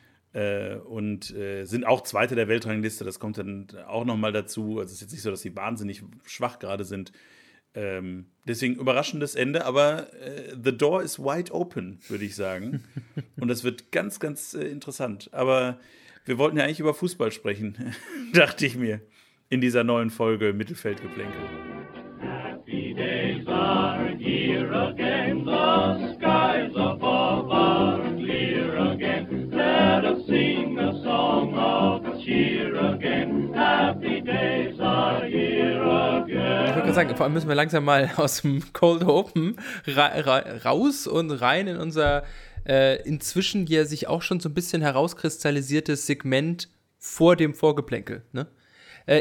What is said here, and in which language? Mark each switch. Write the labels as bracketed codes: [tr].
[de] Sind auch Zweite der Weltrangliste, das kommt dann auch nochmal dazu, also es ist jetzt nicht so, dass sie wahnsinnig schwach gerade sind. Deswegen überraschendes Ende, aber [en] the door is wide open, [de] würde ich sagen. Und das wird ganz, ganz interessant, aber wir wollten ja eigentlich über Fußball sprechen, dachte ich mir, in dieser neuen Folge Mittelfeldgeplänkel. [en] Happy days are here again, the skies above are clear again. Let us sing a song of cheer again. Happy days are here again. [de] Ich wollte gerade sagen, vor allem müssen wir langsam mal aus dem Cold Open raus und rein in unser inzwischen ja sich auch schon so ein bisschen herauskristallisiertes Segment vor dem Vorgeplänkel. Ne?